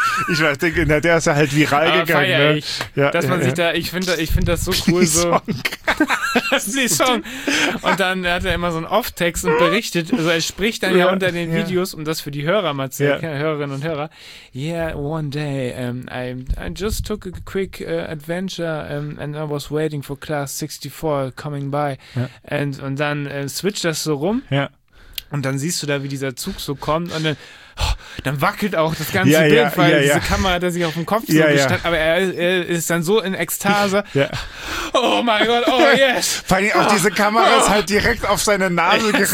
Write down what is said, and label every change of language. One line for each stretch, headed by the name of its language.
German: Ich weiß, der ist ja halt viral gegangen. Feier, ne? Ich finde das so cool. Lee Song. Lee Song. Und dann hat er immer so einen Off-Text und berichtet, also er spricht dann unter den Videos, um das für die Hörer mal zu sehen, Hörerinnen und Hörer.
English: Yeah, one day I just took a quick adventure and I was waiting for class 64 coming by.
German: Ja. Und dann switcht das so rum. Ja. Und dann siehst du da, wie dieser Zug so kommt und dann wackelt auch das ganze Bild, weil diese Kamera hat er sich auf dem Kopf gestellt. Aber er ist dann so in Ekstase. Ja. Oh mein Gott,
English: oh yes.
German: Vor allem auch diese Kamera ist halt direkt auf seine Nase gerichtet.